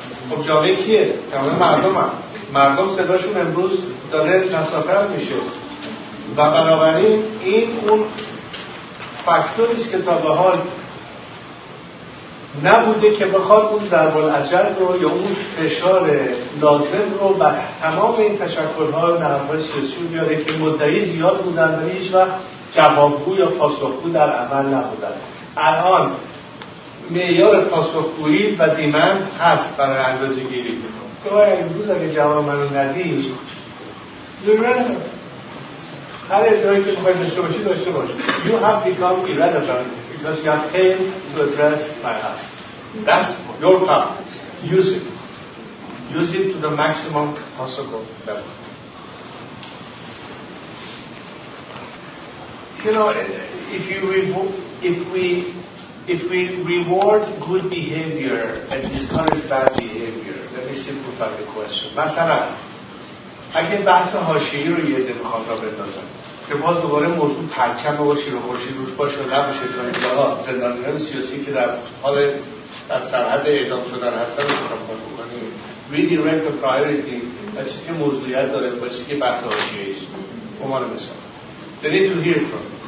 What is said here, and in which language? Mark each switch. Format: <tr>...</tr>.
<fa>خب جامعه کیه؟ تمام مردم هست. مردم صداشون امروز داره نصافر میشه و بنابراین این اون فکتوریست که تا به حال نبوده که بخواد اون ضرب العجل رو یا اون فشار لازم رو بر تمام این تشکل‌ها و نهادهای سیاسی بیاره که مدعی زیاد بودن و هیچ وقت جوابگو یا پاسخگو در عمل نبودن. الان معیار پاسخگویی و دیمند هست برای اندازه گیری که باید امروز اگه جواب منو ندی هر ادعایی که بخواید داشته باشی داشته باشی.</fa> <en>You have become irrelevant. Because you have failed to address my ask. That's your power. Use it. Use it to the maximum possible level. You know, if we reward good behavior and discourage bad behavior, let me simplify the question.</en> <fa>مثلا اگه بحث حاشیه‌ای رو یه دفعه خواهم بندازم که باز دوباره موضوع پرچم باشی رو خوشی روش باشه و نباشه تا اینجا زندانیان سیاسی که در حال در سرحد اعدام شدن هستن رو سرم کار بکنیم</fa> <en>redirect the priority</en> <fa>و چیزی که موضوعیت داره با چیزی که بحث حاشیه ایست امانه مثال</fa> <en>they need to hear from</en>